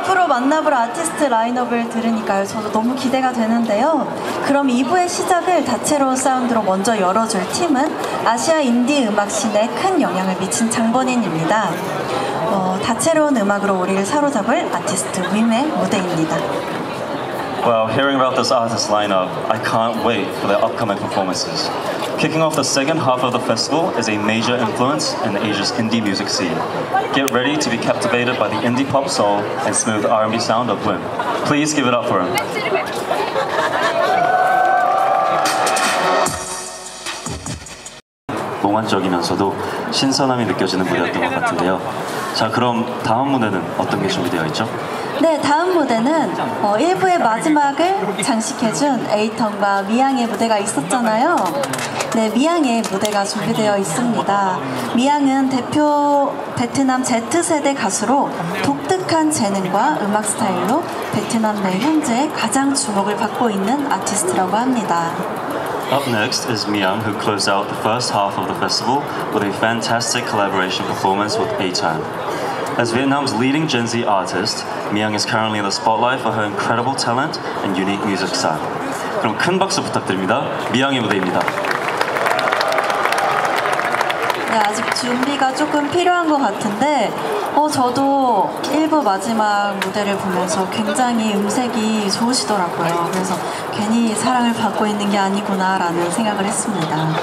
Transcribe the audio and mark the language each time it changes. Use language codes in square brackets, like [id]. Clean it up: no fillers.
[ko] 만나볼 아티스트 라인업을 들으니까요. 저도 너무 기대가 되는데요. 그럼 2부의 시작을 다채로운 사운드로 먼저 열어줄 팀은 아시아 인디 음악 씬에 큰 영향을 미친 장본인입니다. 다채로운 음악으로 우리를 사로잡을 아티스트 윔의 무대입니다. [en] Well, hearing about this artist lineup, I can't wait for their upcoming performances. Kicking off the second half of the festival is a major influence in Asia's indie music scene. Get ready to be captivated by the indie pop soul and smooth R&B sound of Wim. Please give it up for him. [ko] 몽환적이면서도 신선함이 느껴지는 무대였던 것 같은데요. 자, 그럼 다음 무대는 어떤 게 준비되어 있죠? 네, 다음 무대는 1부의 마지막을 장식해준 에이턴과 미양의 무대가 있었잖아요. 네, 미양의 무대가 준비되어 있습니다. 미양은 대표 베트남 Z세대 가수로 독특한 재능과 음악 스타일로 베트남 내 현재 가장 주목을 받고 있는 아티스트라고 합니다. [en] Up next is Miyoung, who closed out the first half of the festival with a fantastic collaboration performance with A-Time. As Vietnam's leading Gen Z artist, Miyoung is currently in the spotlight for her incredible talent and unique music style. [ko] 그럼 큰 박수 부탁드립니다. 미양의 무대입니다. 네, 아직 준비가 조금 필요한 것 같은데 저도 1부 마지막 무대를 보면서 굉장히 음색이 좋으시더라고요. 그래서 괜히 사랑을 받고 있는 게 아니구나 라는 생각을 했습니다.